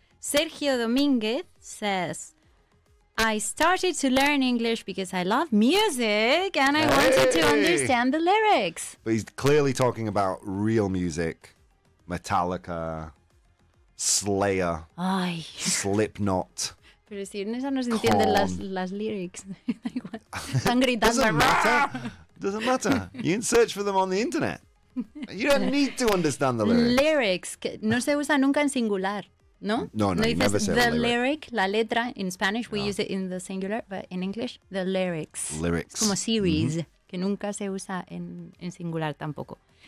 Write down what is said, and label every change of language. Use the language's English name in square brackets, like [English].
[English] Sergio Dominguez says, I started to learn English because I love music and I wanted to understand the lyrics. But he's clearly talking about real music, Metallica, Slayer, Slipknot. [Spanish] Pero si en esa no se entienden las lyrics. Están gritando. [English] Doesn't matter. You can search for them on the internet. You don't need to understand the lyrics. Lyrics. [Spanish] Que no se usa nunca en singular, ¿no? No, dices, [English] never say the lyric. [Spanish] La letra, [English] in Spanish, we use it in the singular, but in English, the lyrics. Lyrics. [Spanish] Es como series, que nunca se usa en singular tampoco.